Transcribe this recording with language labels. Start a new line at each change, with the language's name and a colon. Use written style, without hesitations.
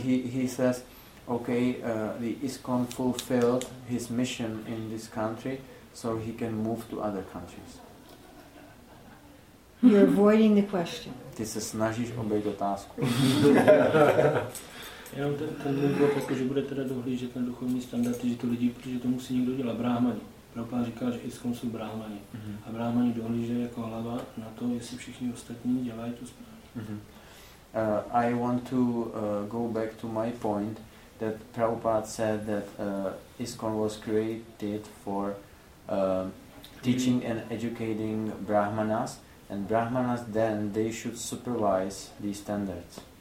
English: He says, okay, the ISKON fulfilled his mission in this country, so he can move to other countries. You're avoiding the question.
Czech: Ty se snažíš obejít otázku. Jenom ten důvod, že bude teda dohlížet na duchovní standardy, že to lidi, protože to musí někdo dělat, bráhmani. Prabhupáda říkal, že ISKON jsou bráhmani. Mm-hmm. A bráhmani dohlížejí jako hlava na to, jestli všichni ostatní dělají tu správně. Mm-hmm.
English: I want to go back to my point that Prabhupada said that ISKON was created for teaching and educating brahmanas, and brahmanas then they should supervise these standards.